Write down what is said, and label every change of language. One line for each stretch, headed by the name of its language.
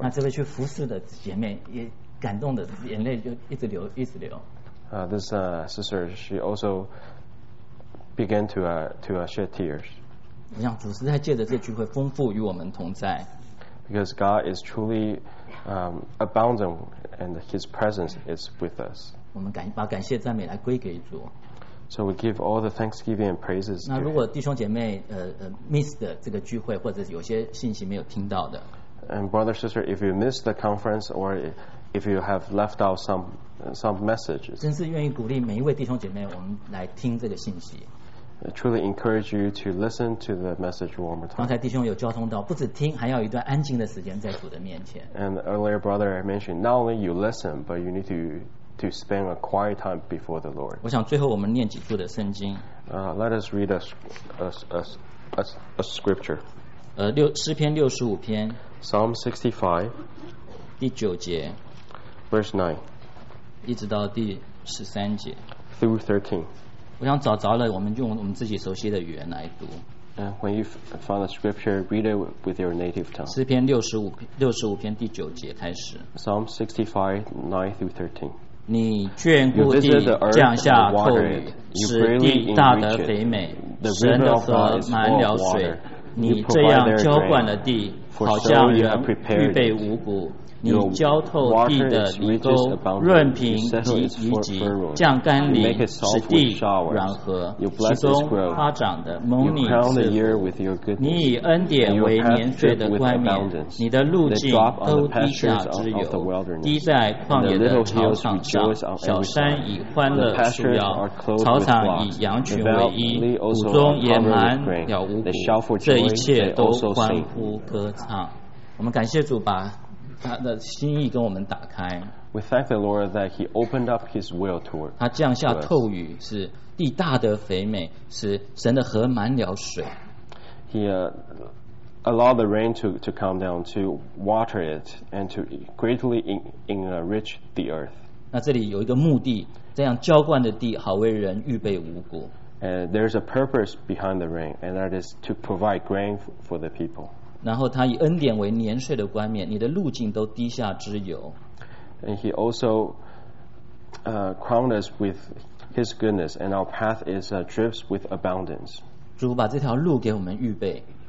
Chinese: 那这位去服侍的姐妹也感动的眼泪就一直流一直流。
English: This sister, she also began to shed tears.
Chinese: 我想主实在借着这聚会丰富与我们同在。
English: Because God is truly abounding and His presence is with us.
Chinese: 我们把感谢赞美来归给主。
English: So we give all the thanksgiving and praises.
Chinese: 那如果弟兄姐妹missed 这个聚会，或者有些信息没有听到的。
English: And brother, sister, if you missed the conference or if you have left out some messages.
Chinese: 真是愿意鼓励每一位弟兄姐妹，我们来听这个信息。
English: I truly encourage you to listen to the message one more time.
Chinese: 刚才弟兄有交通到，不止听，还要一段安静的时间在主的面前。
English: And earlier, brother mentioned not only you listen, but you need to spend a quiet time before the Lord.
Chinese: 我想最后我们念几处的圣经。
English: Let us read a scripture.
Chinese: 诗篇六十五篇。
English: Psalm 65.
Chinese: 第九节。
English: Verse 9.
Chinese: 一直到第十三节。
English: Through 13.
Chinese: 我想找着了，我们用我们自己熟悉的语言来读。
English: When you find a scripture, read it with your native tongue.
Chinese: 诗篇六十五篇第九节开始。
English: Psalm 65, 9 through 13.
Chinese: 你眷顾地，降下厚雨，使地大得肥美。神的河满了水，你这样浇灌了地，好像人预备五谷。你浇透地的泥沟，润平及淤积，降甘霖，使地软和。其中花长的蒙你赐福，你以恩典为年岁的冠冕。你的路径都滴下之油，滴在旷野的草场上。小山以欢乐束腰，草场以羊群为衣，谷中也满了五谷。这一切都欢呼歌唱。我们感谢主吧。他的心意跟我们打开。
English: We thank the Lord that He opened up His will to us.
Chinese: 他降下透雨，使地大得肥美，使神的河满了水。
English: He allowed the rain to come down to water it and to greatly enrich the earth.
Chinese: 那这里有一个目的，这样浇灌的地好为人预备五谷。
English: And there's a purpose behind the rain, and that is to provide grain for the people.
Chinese: 然后他以恩典为年岁的冠冕，你的路径都滴下脂油。
English: And he also crowned us with his goodness, and our path is drips with abundance.
Chinese: 主把这条路给我们预备。